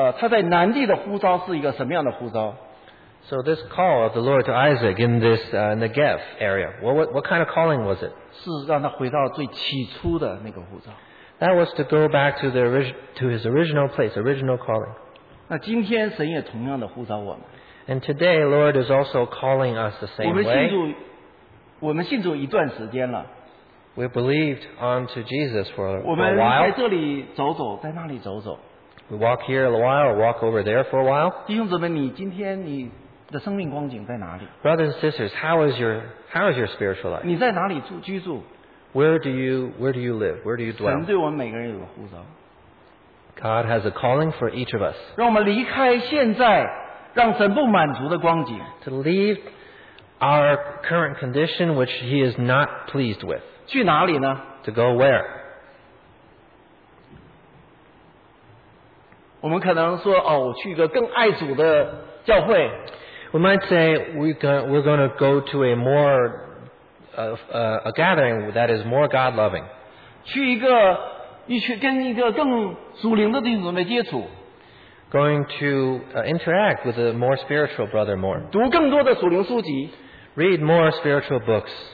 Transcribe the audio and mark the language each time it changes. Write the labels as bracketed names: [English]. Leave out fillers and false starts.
[Chinese] 所以神对以撒在这个他在南地的呼召是一个什么样的呼召？ [English] So this call of the Lord to Isaac in this Negev area, what kind of calling was it? [Chinese] 是让他回到最起初的那个呼召。 [English] That was to go back to the original place, original calling. [Chinese] 那今天神也同样的呼召我们。 [English] And today, Lord is also calling us the same way. [Chinese] 我们信主一段时间了。 [English] We believed onto Jesus for a while. [Chinese] 我们在这里走走，在那里走走。 [English] We walk here a while, walk over there for a while. [Chinese] 弟兄姊妹，你今天你的生命光景在哪里？ [English] Brothers and sisters, how is your spiritual life? [Chinese] 你在哪里居住？ [English] Where do you live? Where do you dwell? [Chinese] 神对我们每个人有个呼召。 [English] God has a calling for each of us. [Chinese] 让我们离开现在。让神不满足的光景, [English] to leave our current condition which he is not pleased with. [Chinese] 去哪里呢? [English] To go where? [Chinese] 我们可能说, 哦, 我去一个更爱主的教会。 [English] We might say we're going to go to a more a gathering that is more God loving. [Chinese] 去跟一个更属灵的弟兄姊妹接触。 [English] Going to interact with a more spiritual brother more. [Chinese] 读更多的属灵书籍, [English] read more spiritual books.